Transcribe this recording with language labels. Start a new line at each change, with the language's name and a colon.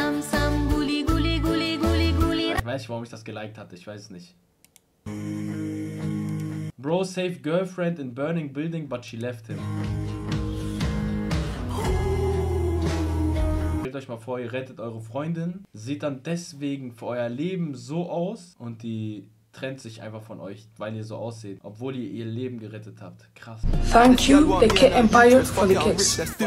German: Ich weiß nicht, warum ich das geliked hatte, ich weiß es nicht.
English: Bro saved girlfriend in burning building, but she left him.
German: Stellt euch mal vor, ihr rettet eure Freundin, sieht dann deswegen für euer Leben so aus und die trennt sich einfach von euch, weil ihr so ausseht, obwohl ihr ihr Leben gerettet habt. Krass.
English: Thank you, the Kit Empire, for the kids.